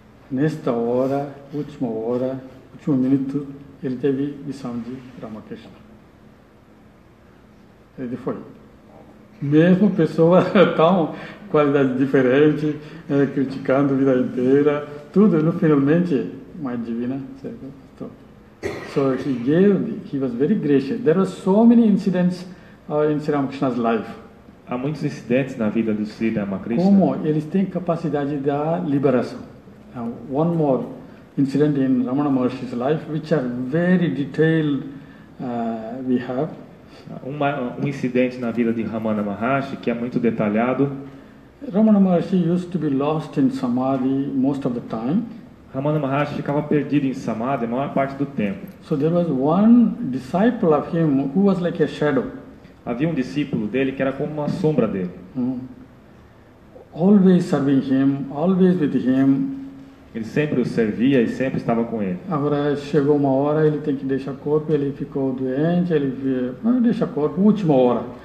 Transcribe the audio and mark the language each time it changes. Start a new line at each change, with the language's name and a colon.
Portuguese: Nesta hora, última hora, último minuto, ele teve visão de Ramakrishna. Ele foi. Mesmo pessoa tão qualidade diferente, criticando a vida inteira, tudo, no finalmente, mãe divina, certo?
English: So he was very gracious. There were so many incidents in Sri Ramakrishna's life.
Portuguese: Há muitos incidentes na vida do Sri Ramakrishna. Como eles têm capacidade da liberação.
English: Now, one more incident in Ramana Maharshi's life, which are very detailed, we have.
Portuguese: Um incidente na vida de Ramana Maharshi que é muito detalhado.
English: Ramana Maharshi used to be lost in samadhi most of the time.
Portuguese: Ramana Maharshi ficava perdido em samadhi a maior parte do tempo.
English: So there was one disciple of him who was like a shadow.
Portuguese: Havia um discípulo dele que era como uma sombra dele.
English: Always serving him, always with him.
Portuguese: Ele sempre o servia e sempre estava com ele. Agora chegou uma hora, ele tem que deixar corpo, ele ficou doente, ele deixa corpo, última hora.